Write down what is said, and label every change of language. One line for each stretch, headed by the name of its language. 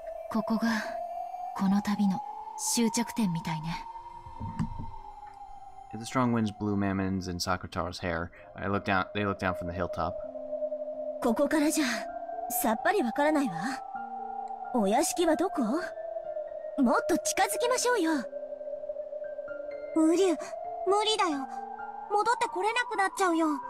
Japanese: ここがこの旅の終着点みたいね。
English: If the strong winds blew Mammon's and Sakutar's hair, they looked down from the hilltop.
Japanese: ここからじゃさっぱりわからないわ。お屋敷はどこ？もっと近づきましょうよ。ウリュ、無理だよ。戻ってこれなくなっちゃうよ。